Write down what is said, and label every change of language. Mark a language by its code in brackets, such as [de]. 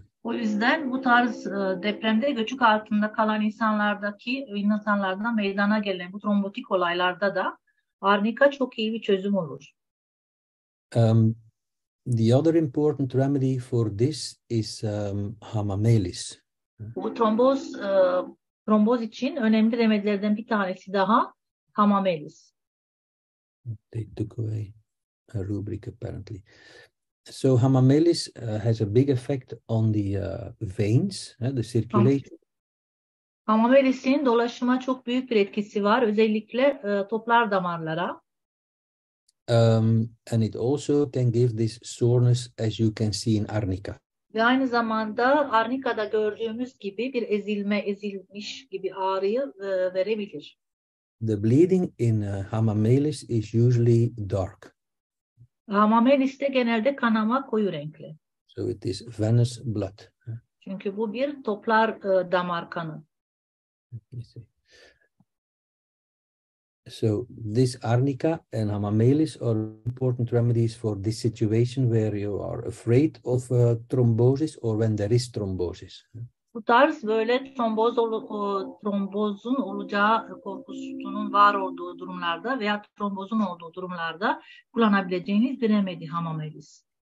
[tr] O yüzden bu tarz depremde göçük altında kalan insanlardan meydana gelen bu trombotik olaylarda da Arnica çok iyi bir çözüm olur. [en] The other important remedy for this is hamamelis. [tr] Bu tromboz için önemli remedilerden bir tanesi daha hamamelis. [en] They took away a rubric apparently. So hamamelis has a big effect on the veins, the circulation. [tr] Hamamelisin dolaşıma çok büyük bir etkisi var, özellikle toplar damarlara. [en] And it also can give this soreness, as you can see in Arnica. [tr] Ve aynı zamanda Arnica'da gördüğümüz gibi bir ezilmiş gibi ağrıyı verebilir. [en] The bleeding in hamamelis is usually dark. [tr] Hamameliste genelde kanama koyu renkli. [en] So it is venous blood. [tr] Çünkü bu bir toplar damar kanı. [en] So this arnica and hamamelis are important remedies for this situation where you are afraid of thrombosis or when there is thrombosis. [tr] Bu tarz böyle trombozun olacağı korkusunun var olduğu durumlarda veya trombozun olduğu durumlarda kullanabileceğiniz bir remedi hamamelis.